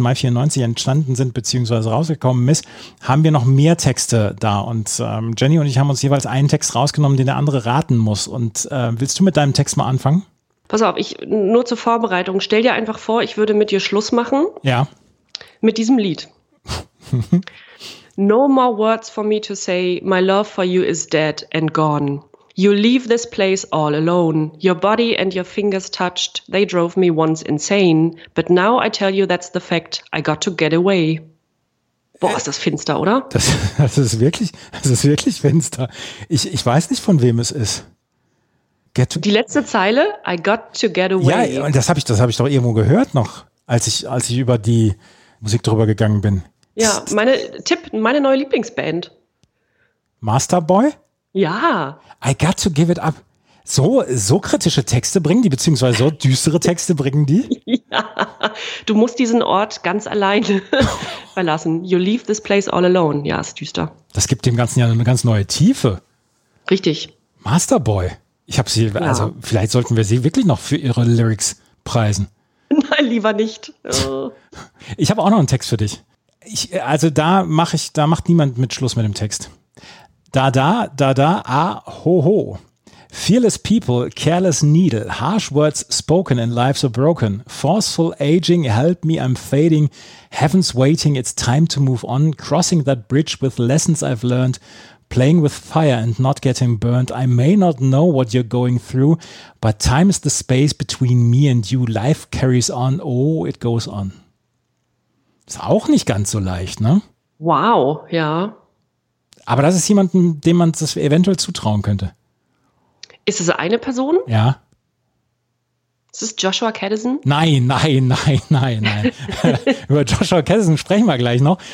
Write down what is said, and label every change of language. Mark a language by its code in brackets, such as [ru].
[de] Mai 94 entstanden sind bzw. rausgekommen ist, haben wir noch mehr Texte da. Und Jenny und ich haben uns jeweils einen Text rausgenommen, den der andere raten muss. Und willst du mit deinem Text mal anfangen? Pass auf, ich nur zur Vorbereitung. Stell dir einfach vor, ich würde mit dir Schluss machen. Ja. Mit diesem Lied. [en] No more words for me to say, my love for you is dead and gone. You leave this place all alone. Your body and your fingers touched. They drove me once insane. But now I tell you that's the fact. I got to get away. [de] Boah, ist das finster, oder? Das ist wirklich finster. Ich weiß nicht, von wem es ist. Die letzte Zeile, [en] I got to get away. [de] Ja, und das hab ich doch irgendwo gehört noch, als ich über die Musik drüber gegangen bin. Ja, meine neue Lieblingsband. Masterboy? Ja. [en] I got to give it up. [de] So kritische Texte bringen die, beziehungsweise so düstere Texte bringen die? Ja. Du musst diesen Ort ganz alleine verlassen. [en] You leave this place all alone. [de] Ja, ist düster. Das gibt dem Ganzen ja eine ganz neue Tiefe. Richtig. Masterboy. Ich habe sie, ja. Also vielleicht sollten wir sie wirklich noch für ihre Lyrics preisen. Nein, lieber nicht. Ich habe auch noch einen Text für dich. Da macht niemand mit Schluss mit dem Text. Da, da, da, da, ah, ho, ho. [en] Fearless people, careless needle, harsh words spoken and lives are broken. Forceful aging, help me, I'm fading. Heaven's waiting, it's time to move on. Crossing that bridge with lessons I've learned. Playing with fire and not getting burned. I may not know what you're going through, but time is the space between me and you. Life carries on, oh, it goes on. [de] Ist auch nicht ganz so leicht, ne? Wow, ja. Aber das ist jemand, dem man das eventuell zutrauen könnte. Ist es eine Person? Ja. Ist es Joshua Caddison? Nein, nein, nein, nein, nein. Über Joshua Caddison sprechen wir gleich noch.